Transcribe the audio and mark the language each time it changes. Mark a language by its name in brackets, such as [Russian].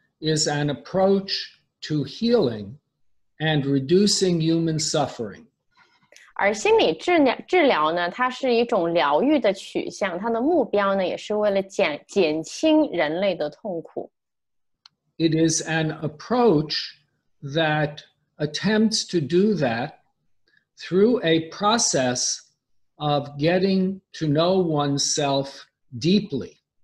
[English] is an approach to healing and reducing human suffering. [Chinese] 而心理治疗呢，它是一种疗愈的取向，它的目标呢，也是为了减轻人类的痛苦。 [English] It is an approach that attempts to do that through a process of getting to know oneself deeply.